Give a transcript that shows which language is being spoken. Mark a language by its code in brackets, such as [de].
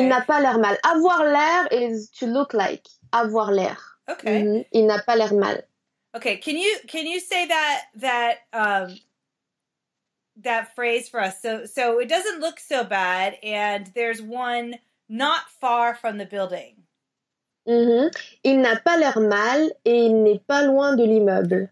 [fr] Il n'a pas l'air mal. Avoir l'air [en] is to look like. [fr] Avoir l'air. [en] Okay. [fr] Il n'a pas l'air mal. [en] Okay, can you say that phrase for us? So it doesn't look so bad, and there's one not far from the building. Mm-hmm. [fr] Il n'a pas l'air mal et il n'est pas loin de l'immeuble.